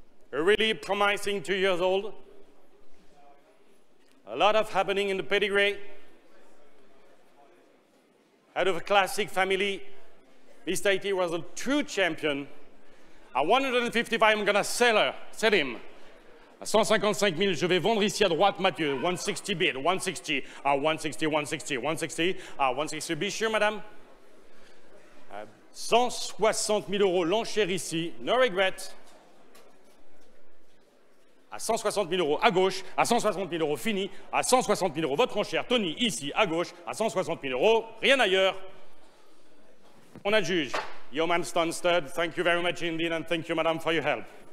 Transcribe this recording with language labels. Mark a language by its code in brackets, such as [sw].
[en] Really promising 2 years old. A lot of happening in the pedigree. Out of a classic family, Miss Tahiti was a true champion. At 155, I'm gonna sell her, sell him. At 155 000, [fr] je vais vendre ici à droite, Mathieu. [en] 160 bid, 160. At 160, 160, 160. At 160, be sure, madame. 160 000 euros, [fr] l'enchère ici, [en] no regret. [fr] À 160 000 euros à gauche, à 160 000 euros fini, à 160 000 euros votre enchère, Tony, ici à gauche, à 160 000 euros, rien ailleurs. On adjuge. [en] Your man stands stud. Thank you very much, indeed, and thank you, madame, for your help.